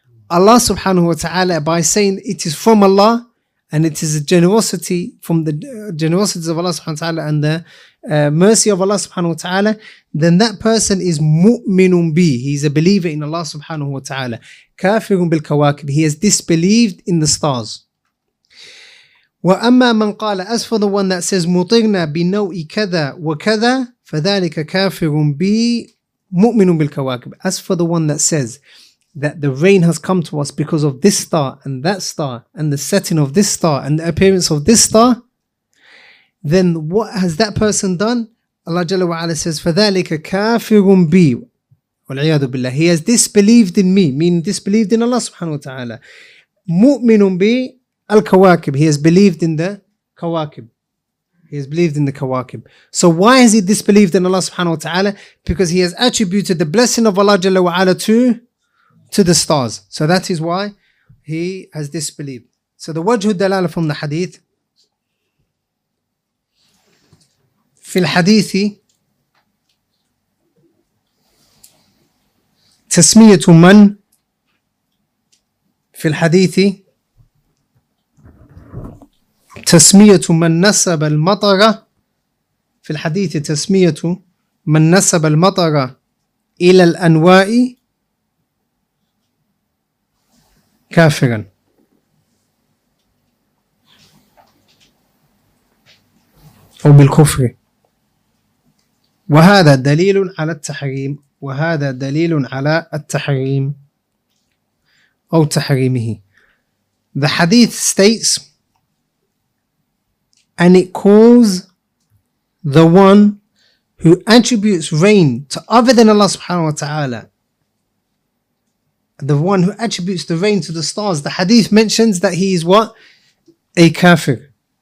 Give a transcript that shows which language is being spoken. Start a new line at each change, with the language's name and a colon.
English: Allah subhanahu wa ta'ala by saying it is from Allah, and it is a generosity from the generosities of Allah subhanahu wa ta'ala and the mercy of Allah subhanahu wa ta'ala, then that person is mu'minun bi. He's a believer in Allah subhanahu wa ta'ala.
Arabic: Kafirun bil kawakib.
English: He has disbelieved in the stars.
Arabic: وَأَمَّا مَنْ قَالَ
English: As for the one that says,
Arabic: مُطِغْنَا بِنَوْءِ كَذَا وَكَذَا فَذَلِكَ كَافِرٌ بِي mu'minun bil kawakib.
English: As for the one that says that the rain has come to us because of this star and that star and the setting of this star and the appearance of this star, then what has that person done? Allah Jalla wa Ala says,
Arabic: فَذَلِكَ كَافِرٌ بِي وَالْعِيَادُ بِاللَّهِ.
English: He has disbelieved in me, meaning disbelieved in Allah subhanahu wa ta'ala.
Arabic: مُؤْمِنٌ بِالْكَوَاكِبِ.
English: He has believed in the kawakib. He has believed in the kawakib. So why has he disbelieved in Allah subhanahu wa ta'ala? Because he has attributed the blessing of Allah Jalla wa Ala to the stars. So that is why he has disbelieved. So the wajhu dalala from the hadith,
Arabic: في الحديث تسمية من في الحديث تسمية من نسب المطر في الحديث تسمية من نسب المطر إلى الأنواء كافرا. أو بالكفر. وهذا دليل على التحريم. وهذا دليل على التحريم أو تحريمه.
English: The hadith states, and it calls the one who attributes rain to other than Allah subhanahu wa ta'ala, the one who attributes the rain to the stars, the hadith mentions that he is what? A kafir.